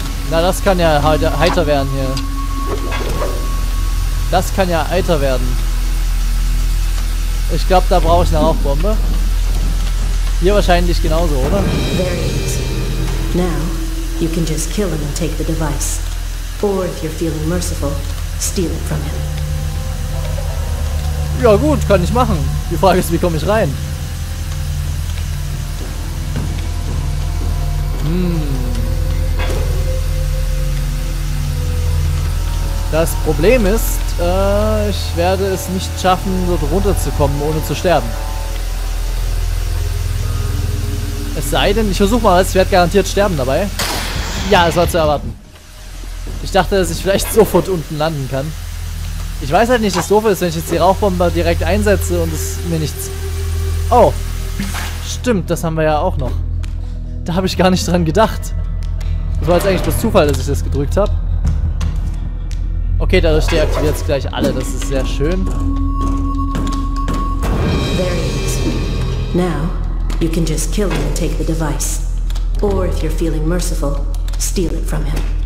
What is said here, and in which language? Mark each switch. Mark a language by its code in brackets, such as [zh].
[de] Na, das kann ja heiter werden hier. Das kann ja heiter werden. Ich glaube, da brauche ich eine Rauchbombe. Hier wahrscheinlich genauso, oder? [en] Very easy. Now, you can just kill him and take the device. Or if you're feeling merciful, steal it from him. [de] Ja gut, kann ich machen. Die Frage ist, wie komme ich rein? Das Problem ist, ich werde es nicht schaffen, dort runterzukommen, ohne zu sterben. Es sei denn, ich versuche mal, ich werde garantiert sterben dabei. Ja, es war zu erwarten. Ich dachte, dass ich vielleicht sofort unten landen kann. Ich weiß halt nicht, dass es doof ist, wenn ich jetzt die Rauchbombe direkt einsetze und es mir nichts... Oh, stimmt, das haben wir ja auch noch. Da habe ich gar nicht dran gedacht. Das war jetzt eigentlich bloß Zufall, dass ich das gedrückt habe. Okay, dadurch deaktiviert es gleich alle. Das ist sehr schön. [en] There he is. Now you can just kill him and take the device. Or if you're feeling merciful, steal it from him.